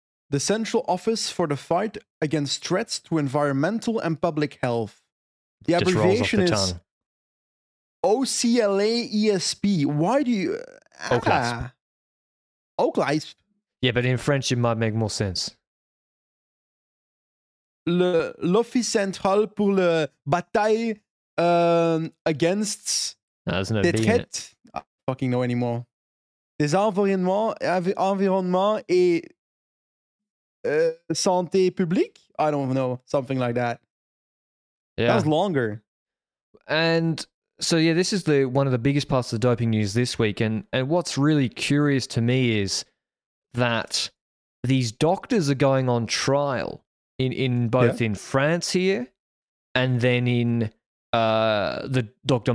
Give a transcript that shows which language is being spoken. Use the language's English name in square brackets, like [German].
[English] The Central Office for the Fight Against Threats to Environmental and Public Health. The just abbreviation rolls off the is OCLAESP. Why do you OCLAESP? Yeah, but in French it might make more sense. [French] L'Office Central pour la Bataille [English] Against. No, there's no B in it. I don't fucking know anymore. [French] Des environnements, environnement et santé publique? [English] I don't know. Something like that. Yeah. That was longer. And so, yeah, this is one of the biggest parts of the doping news this week. And what's really curious to me is that these doctors are going on trial. In both in France here, and then in the Dr.